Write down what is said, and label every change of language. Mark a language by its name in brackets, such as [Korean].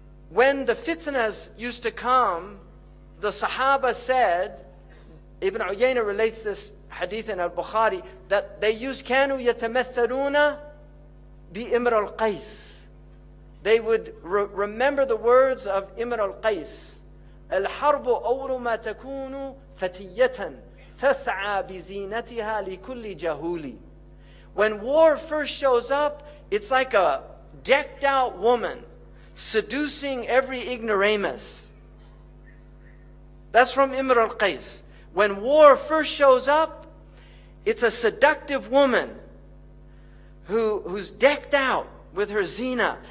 [English] When the fitnas used to come, the Sahaba said, Ibn Uyayna relates this hadith in al-Bukhari, that they used, "Kanu yatamathaluna bi Imr al-Qais." They would remember the words of Imr al-Qais. [Arabic] الحرب أول ما تكون فتية تسعى بزينتها لكل جهولي. [English] When war first shows up, it's like a decked out woman seducing every ignoramus. That's from Imr al-Qais. When war first shows up, it's a seductive woman who's decked out with her zina.